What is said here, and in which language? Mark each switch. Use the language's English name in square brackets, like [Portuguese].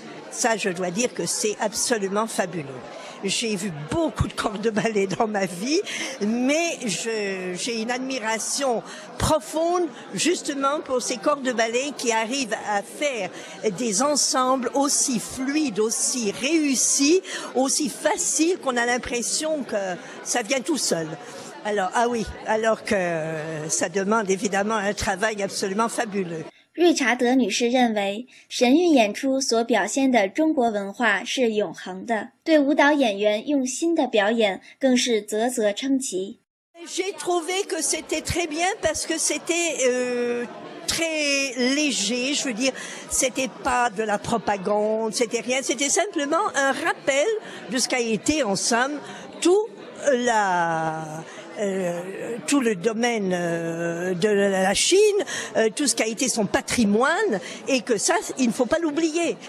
[French] Ça, je dois dire que c'est absolument fabuleux. J'ai vu beaucoup de corps de ballet dans ma vie, mais j'ai une admiration profonde, justement, pour ces corps de ballet qui arrivent à faire des ensembles aussi fluides, aussi réussis, aussi faciles qu'on a l'impression que ça vient tout seul. Alors que ça demande évidemment un travail absolument fabuleux. [Chinese] 瑞查德女士认为，神韵演出所表现的中国文化是永恒的，对舞蹈演员用心的表演更是啧啧称奇。 [French] J'ai trouvé que c'était très bien parce que c'était très léger, je veux dire, c'était pas de la propagande, c'était rien, c'était simplement un rappel de ce qu'a été en somme tout le domaine de la Chine, tout ce qui a été son patrimoine, et que ça, il ne faut pas l'oublier.